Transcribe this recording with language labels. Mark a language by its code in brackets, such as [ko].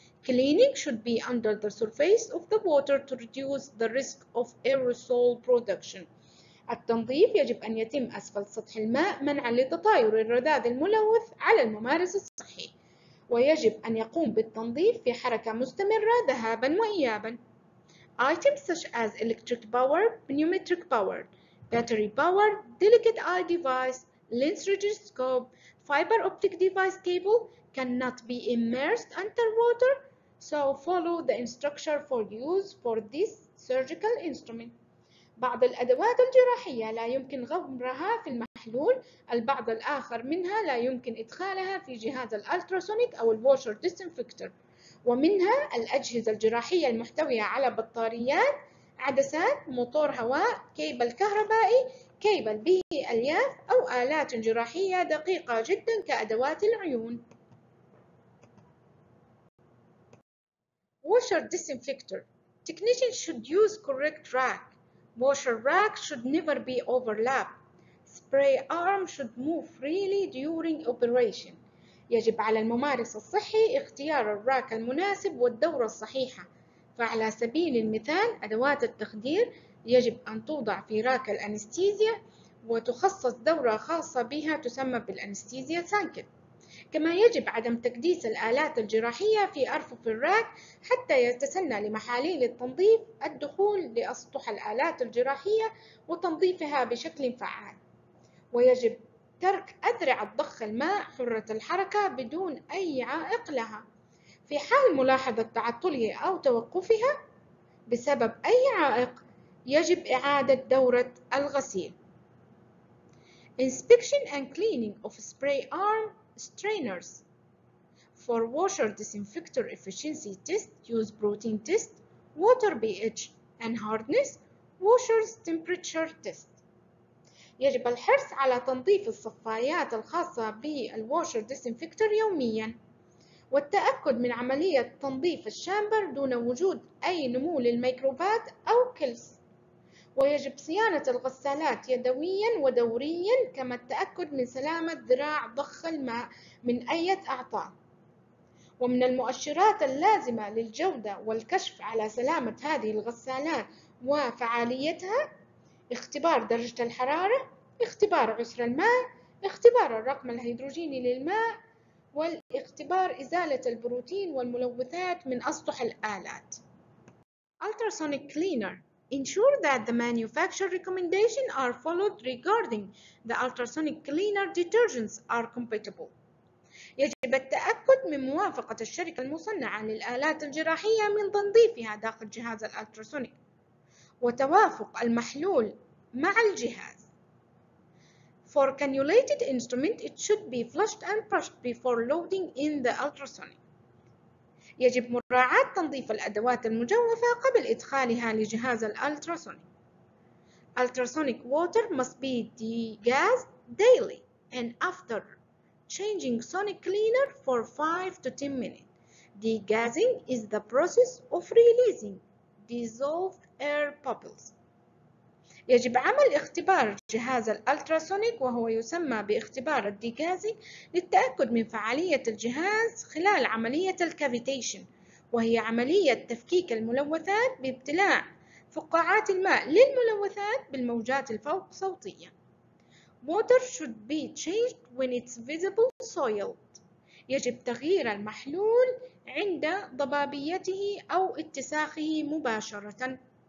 [en] Cleaning should be under the surface of the water to reduce the risk of aerosol production. [ar] التنظيف يجب أن يتم أسفل سطح الماء منعا لتطاير الرذاذ الملوث على الممارس الصحي، ويجب أن يقوم بالتنظيف في حركة مستمرة ذهابا وإيابا. [en] Items such as electric power, pneumatic power, battery power, delicate eye device, lens rigidoscope, fiber optic device cable cannot be immersed underwater. So follow the instruction for use for this surgical instrument. [ar] بعض الأدوات الجراحية لا يمكن غمرها في المحلول، البعض الآخر منها لا يمكن إدخالها في جهاز الألتراسونيك أو الواشر ديسنفكتر، ومنها الأجهزة الجراحية المحتوية على بطاريات، عدسات، موتور هواء، كيبل كهربائي، كيبل به ألياف أو آلات جراحية دقيقة جدا كأدوات العيون. [en] Washer disinfector. Technicians should use correct rack. Washer rack should never be overlapped. Spray arm should move freely during operation. [ar] يجب على الممارس الصحي اختيار الراك المناسب والدورة الصحيحة. فعلى سبيل المثال أدوات التخدير يجب أن توضع في راك الأنستيزيا وتخصص دورة خاصة بها تسمى بالأنستيزيا سانكت. كما يجب عدم تكديس الآلات الجراحية في أرفف الراك حتى يتسنى لمحاليل التنظيف الدخول لأسطح الآلات الجراحية وتنظيفها بشكل فعال، ويجب ترك أذرع ضخ الماء حرة الحركة بدون أي عائق لها. في حال ملاحظة تعطله أو توقفها بسبب أي عائق يجب إعادة دورة الغسيل. [en] Inspection and cleaning of spray arm strainers. For washer disinfector efficiency test, use protein test, water pH and hardness, washer's temperature test. [ar] يجب الحرص على تنظيف الصفايات الخاصة بال [en] washer disinfector [ar] يوميا، والتأكد من عملية تنظيف الشامبر دون وجود أي نمو للميكروبات أو كلس، ويجب صيانة الغسالات يدويا ودوريا، كما التأكد من سلامة ذراع ضخ الماء من أي أعطال. ومن المؤشرات اللازمة للجودة والكشف على سلامة هذه الغسالات وفعاليتها اختبار درجة الحرارة، اختبار عسر الماء، اختبار الرقم الهيدروجيني للماء، والاختبار إزالة البروتين والملوثات من أسطح الآلات. [en] Ultrasonic cleaner. Ensure that the manufacturer recommendations are followed regarding the ultrasonic cleaner detergents are compatible. [ar] يجب التأكد من موافقة الشركة المصنعة للآلات الجراحية من تنظيفها داخل جهاز الألتراسونيك وتوافق المحلول مع الجهاز. [en] For cannulated instrument, it should be flushed and brushed before loading in the ultrasonic. [ar] يجب مراعاة تنظيف الأدوات المجوفة قبل إدخالها لجهاز الألتراسونيك. [en] Ultrasonic water must be degassed daily and after changing sonic cleaner for 5 to 10 minutes. Degassing is the process of releasing dissolved air bubbles. [ar] يجب عمل اختبار جهاز الألتراسونيك وهو يسمى باختبار الديجازينج للتأكد من فعالية الجهاز خلال عملية الكافيتيشن وهي عملية تفكيك الملوثات بابتلاع فقاعات الماء للملوثات بالموجات الفوق صوتية. [en] Water should be changed when it's visible soiled. [ar] يجب تغيير المحلول عند ضبابيته أو اتساخه مباشرةً.